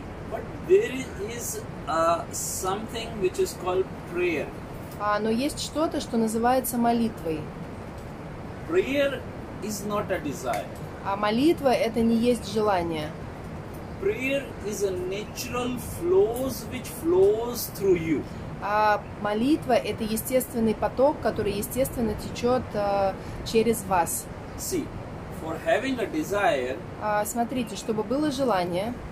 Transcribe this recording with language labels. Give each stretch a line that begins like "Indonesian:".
English: But there is something which is called prayer.
Russian: Но есть что-то, что называется молитвой.
English: Prayer is not a desire.
Russian: А молитва – это не есть желание.
English: Prayer is a natural flows which flows through you.
Russian: А молитва – это естественный поток, который естественно течет через вас.
English: See, for having a desire,
Russian: смотрите, чтобы было желание,